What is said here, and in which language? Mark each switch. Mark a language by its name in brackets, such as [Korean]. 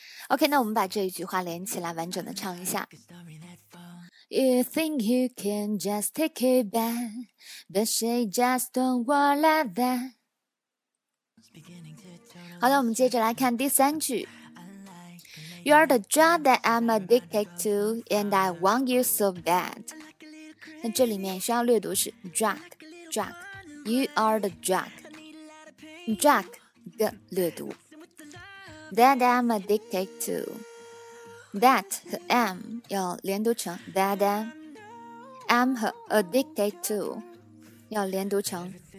[Chinese] OK, 那我们把这一句话连起来完整的唱一下。 [English] You think you can just take it back, but she just don't work like that. [Chinese] 好的，我们接着来看第三句。 [English] You're the drug that I'm addicted to, and I want you so bad. [Chinese] 那这里面需要略读是 drug. [English] You are the drug [Chinese] 的略读 [English] That I'm addicted to [Chinese] That 和 am 要连读成 [English] That I'm [Chinese] 和 [English] addicted to [Chinese] 要连读成